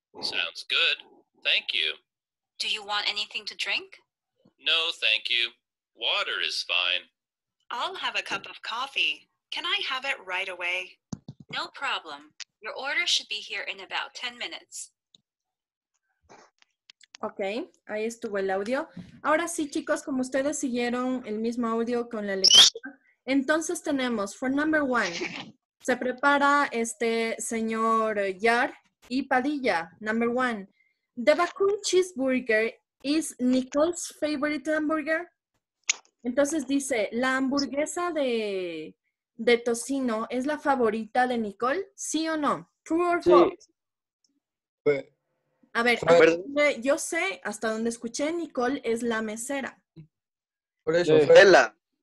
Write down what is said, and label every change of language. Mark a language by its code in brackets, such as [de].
[en] Sounds good. Thank you. Do you want anything to drink? No, thank you. Water is fine. I'll have a cup of coffee. Can I have it right away? No problem. Your order should be here in about 10 minutes. [es] Ok, ahí estuvo el audio. Ahora sí, chicos, como ustedes siguieron el mismo audio con la lectura, entonces tenemos, [en] for number one, [es] se prepara este señor Yar y Padilla. [en] Number one, the vacuum cheeseburger is Nicole's favorite hamburger. [es] Entonces dice, la hamburguesa de tocino es la favorita de Nicole, ¿sí o no? [en] True or false? [es] Sí. A ver, yo sé, hasta donde escuché, Nicole es la mesera. Por eso, sí. Ella.